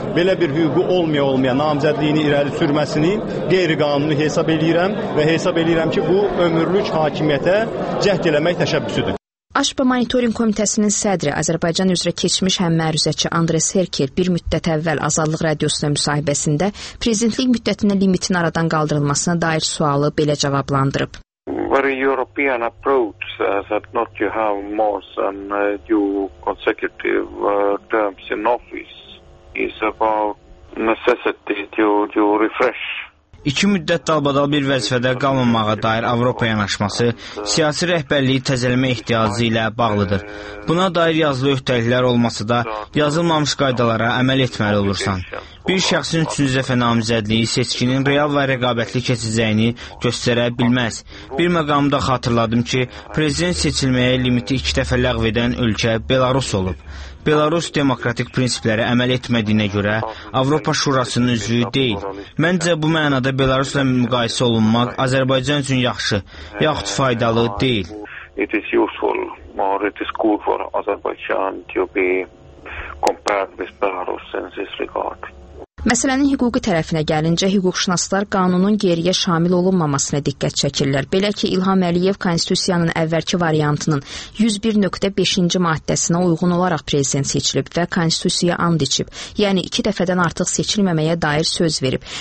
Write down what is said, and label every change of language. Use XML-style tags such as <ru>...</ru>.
<az>Belə bir hüququ olmaya-olmaya namizədliyini irəli sürməsini qeyri-qanuni hesab edirəm və hesab edirəm ki, bu ömürlük hakimiyyətə cəhd eləmək təşəbbüsüdür. ASPA Monitoring Komitəsinin sədri, Azərbaycan üzrə keçmiş həm məruzəçi Andres Herkel bir müddət əvvəl Azadlıq Radiosuna müsahibəsində prezidentlik müddətinin limitin aradan qaldırılmasına dair sualı belə cavablandırıb.</az> <en>Very European approach that not you have more than two consecutive terms in office is about necessity to refresh.</en> <az>İki müddət dalbadal bir vəzifədə qalmamağa dair Avropa yanaşması siyasi rəhbərliyi təzələmə ehtiyacı ilə bağlıdır. Buna dair yazılı öhdəliklər olmasa da yazılmamış qaydalara əməl etməli olursan. Bir şəxsin üçüncü dəfə namizədliyi seçkinin real və rəqabətli keçəcəyini göstərə bilməz. Bir məqamda xatırladım ki, prezident seçilməyə limiti iki dəfə ləğv edən ölkə Belarus olub. Belarus demokratik prinsiplərə əməl etmədiyinə görə Avropa Şurasının üzvü deyil. Məncə bu mənada Belarusla müqayisə olunmaq Azərbaycan üçün yaxşı, yaxud faydalı deyil.</az> <en>It is useful, or it is good for Azerbaijan to be compared with Belarus in this regard.</en> <az>Məsələnin hüquqi tərəfinə gəlincə, hüquqşünaslar qanunun geriyə şamil olunmamasına diqqət çəkirlər. Belə ki, İlham Əliyev Konstitusiyanın əvvəlki variantının 101.5-ci maddəsinə uyğun olaraq prezident seçilib və Konstitusiyaya and içib, yəni iki dəfədən artıq seçilməməyə dair söz verib.</az>